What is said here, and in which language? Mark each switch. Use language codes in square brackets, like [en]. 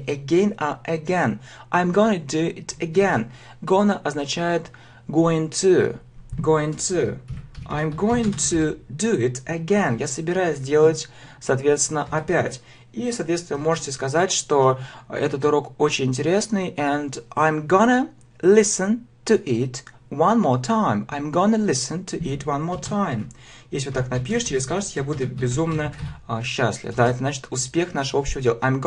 [en] Не again, а again. I'm gonna do it again. Gonna означает going to. I'm going to do it again. [ru] Я собираюсь делать, соответственно, опять. И, соответственно, можете сказать, что этот урок очень интересный. [en] And I'm gonna listen to it one more time. I'm gonna listen to it one more time. [ru] Если вы так напишете или скажете, я буду безумно счастлив. Да, это значит успех нашего общего дела.